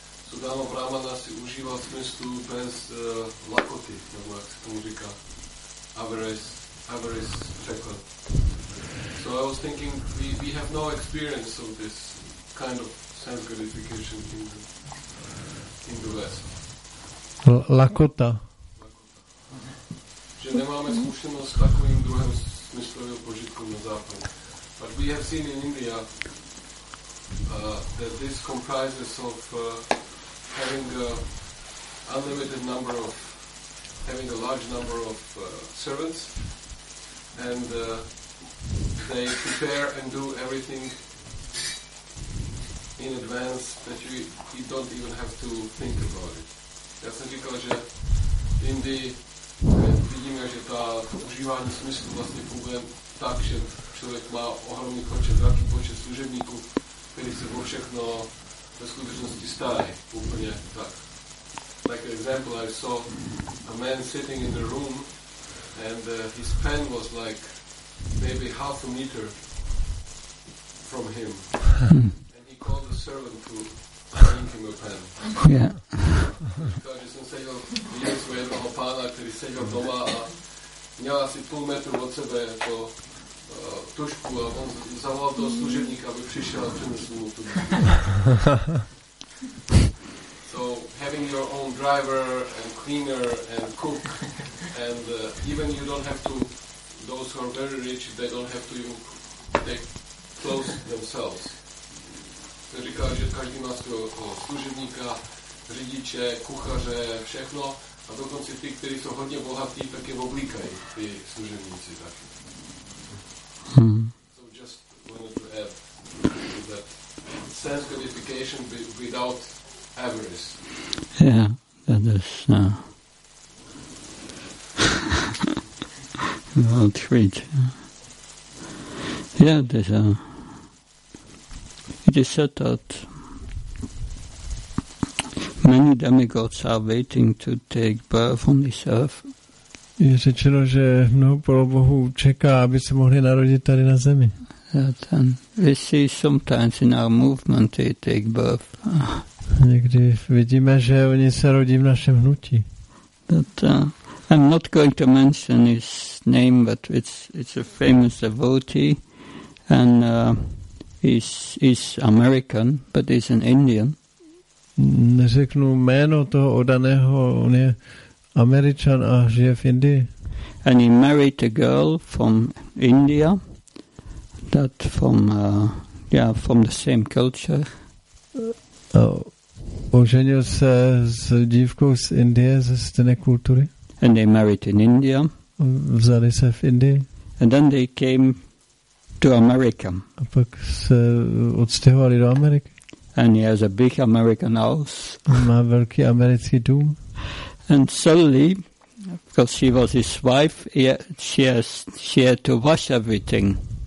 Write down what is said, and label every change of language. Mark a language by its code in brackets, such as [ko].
[cs] Sudama Brahmana si užíval smyslu bez lakoty, nebo jak se tomu říká, avarice překlad. [en] So I was thinking, we have no experience of this kind of sense gratification in the West. [cs] Lakota. Že nemáme zkušenost s takovým druhým smyslovým požitkem na západě. [en] But we have seen in India that this comprises of having a large number of servants, and they prepare and do everything in advance that you don't even have to think about it. [cs] Já jsem říkal, že v Indii vidíme, že ta užívání smyslu vlastně funguje tak, že člověk má ohromný počet, velký počet služebníků, který se o všechno ve skutečnosti staraj, úplně tak. [en] Like an example, I saw a man sitting in the room and his pen was like maybe half a meter from him. And he called the servant to bring him a pen. Yeah. [cs] Takže jsem seděl v jednoho pána, který seděl doma a měl asi půl metru od sebe jako tušku a on zavolal toho služebníka, aby přišel a přinesl mu tu. [en] So having your own driver and cleaner and cook and even you don't have to, those who are very rich, they don't have to even take clothes themselves. [cs] Ten říkal, že každý má svého služebníka, řidiče, kuchaře, všechno. A dokonce ty, kteří jsou hodně bohatí, tak je oblíkají ty služebníci taky. [en] So just wanted to add that sense gratification without avarice. Yeah, that is well treat. Yeah, there's a it is said that many demigods are waiting to take birth on this earth. [cs] Je řečeno, že mnoho polobohů čeká, aby se mohli narodit tady na zemi. [en] That, we see sometimes in our movement they take birth. [cs] Někdy vidíme, že oni se rodí v našem hnutí. [en] That, I'm not going to mention his name, but it's a famous devotee and he's American, but he's an Indian. [cs] Neřeknu jméno toho odaného, on je Američan a žije v Indii. [en] And he married a girl from India, that from yeah, from the same culture. [cs] Oženil se s dívkou z Indie, ze stejné kultury. [en] And they married in India. [cs] Vzali se v Indii. [en] And then they came to America. [cs] A pak se odstěhovali do Ameriky. [en] And he has a big American house. [cs] Má velký americký dům. [en] And suddenly, because she was his wife, she had to wash everything.